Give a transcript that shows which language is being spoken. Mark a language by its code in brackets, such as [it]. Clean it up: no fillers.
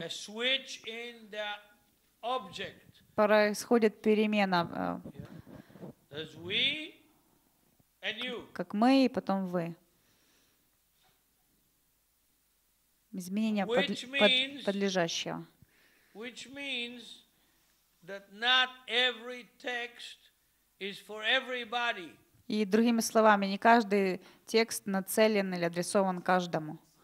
[en] A switch in the object. [ru] Происходит перемена. [en] As we and you. [ru] Как мы и потом вы. Изменение подлежащего. [en] Which means that not every text is for everybody. [ru] И другими словами, не каждый текст нацелен или адресован каждому.